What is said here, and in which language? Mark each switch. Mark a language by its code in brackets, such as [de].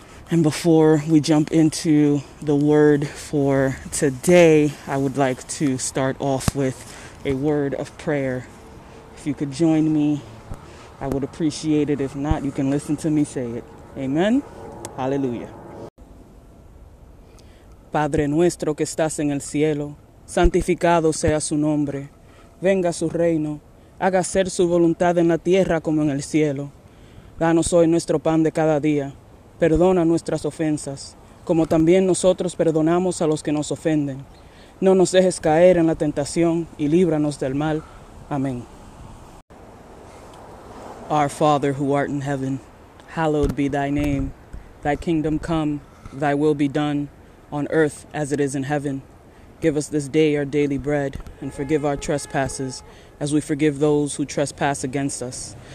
[en] And before we jump into the word for today, I would like to start off with a word of prayer. If you could join me, I would appreciate it. If not, you can listen to me say it. Amen. Hallelujah. [es] Padre nuestro que estás en el cielo, santificado sea su nombre. Venga su reino, haga ser su voluntad en la tierra como en el cielo. Danos hoy nuestro pan de cada día. Perdona nuestras ofensas, como también nosotros perdonamos a los que nos ofenden. No nos dejes caer en la tentación y líbranos del mal. Amén. [en] Our Father who art in heaven, hallowed be thy name. Thy kingdom come, thy will be done, on earth as it is in heaven. Give us this day our daily bread, and forgive our trespasses, as we forgive those who trespass against us.